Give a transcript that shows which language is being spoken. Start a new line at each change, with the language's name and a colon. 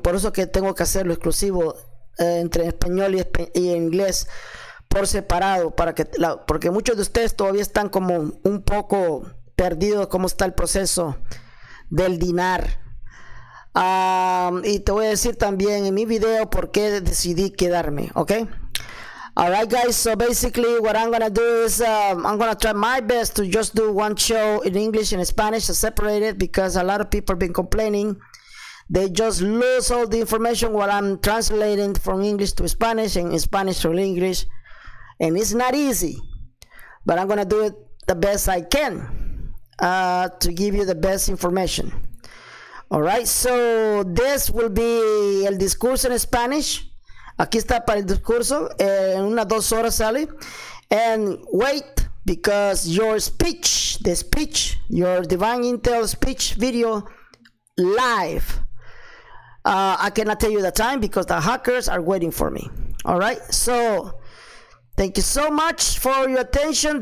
Spanish: Por eso que tengo que hacerlo exclusivo entre español y inglés por separado. Porque muchos de ustedes todavía están como un poco perdidos cómo está el proceso del dinar. Y te voy a decir también en mi video por qué decidí quedarme, ¿ok?
English: All right, guys, so basically what I'm going to do is I'm going to try my best to just do one show in English and Spanish to separate it, because a lot of people have been complaining. They just lose all the information while I'm translating from English to Spanish and Spanish to English. And it's not easy, but I'm going to do it the best I can to give you the best information. All right, so this will be El Discurso in Spanish.
Spanish: Aquí está para el discurso, en unas dos horas sale.
English: And wait, because your speech, the speech, your Divine Intel speech video live. I cannot tell you the time because the hackers are waiting for me. All right, so thank you so much for your attention.